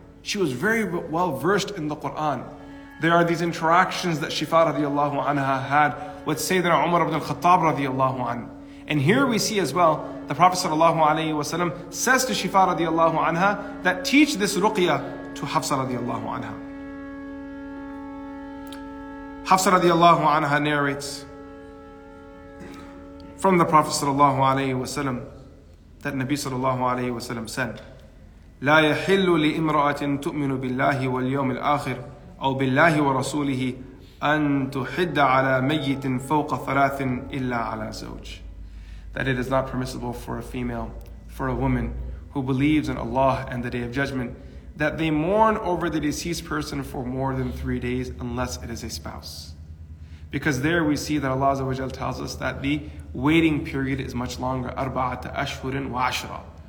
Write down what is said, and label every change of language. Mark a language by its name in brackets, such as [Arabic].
[English] She was very well versed in the Quran. There are these interactions that Shifa radiallahu anha had with Sayyidina Umar ibn al-Khattab radiallahu anha. And here we see as well, the Prophet sallallahu alayhi wa sallam says to Shifa radiallahu anha that teach this ruqya to Hafsa radiallahu anha. Hafsa radiallahu anha narrates from the Prophet sallallahu alayhi wa sallam that Nabi sallallahu alayhi wa sallam said, [Arabic] لا يحل لإمرأة تؤمن بالله واليوم الآخر أو بالله ورسوله أن تحد على ميت فوق ثلاث إلا على زوج. [English] That it is not permissible for a female, for a woman who believes in Allah and the Day of Judgment, that they mourn over the deceased person for more than 3 days unless it is a spouse. Because there we see that Allah Azawajal tells us that the waiting period is much longer, 4 months and 10 days.